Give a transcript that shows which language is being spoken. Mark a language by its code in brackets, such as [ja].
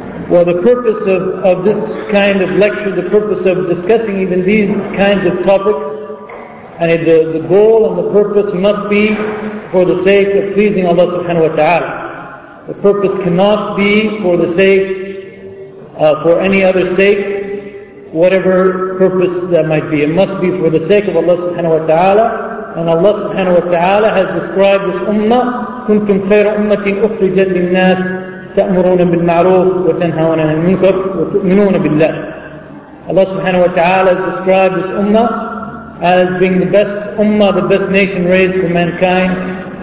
[en] Well, the purpose of this kind of lecture, the purpose of discussing even these kinds of topics, and the goal and the purpose must be for the sake of pleasing Allah subhanahu wa ta'ala. The purpose cannot be for the sake, for any other sake, whatever purpose that might be. It must be for the sake of Allah subhanahu wa ta'ala. And Allah subhanahu wa ta'ala has described this ummah, [ar] كُنْتُمْ خَيْرَ أُمَّةٍ أُخْرِجَتْ لِلنَّاسِ تَأْمُرُونَ بِالْمَعْرُوفِ وَتَنْهَوَنَ عَنِ الْمُنكَرِ وَتُؤْمِنُونَ بِاللَّهِ. [en] Allah subhanahu wa ta'ala has described this ummah as being the best ummah, the best nation raised for mankind.